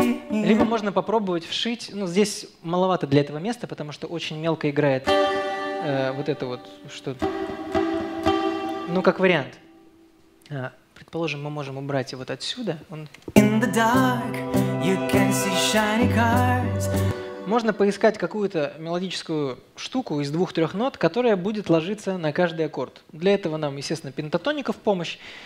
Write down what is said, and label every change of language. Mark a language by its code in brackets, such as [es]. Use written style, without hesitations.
[ru] Либо можно попробовать вшить, ну, здесь маловато для этого места, потому что очень мелко играет вот это вот что-то. Ну, как вариант. Предположим, мы можем убрать его вот отсюда. [en] In the dark, you can see shiny cars. [ru] Можно поискать какую-то мелодическую штуку из двух-трех нот, которая будет ложиться на каждый аккорд. Для этого нам, естественно, пентатоника в помощь.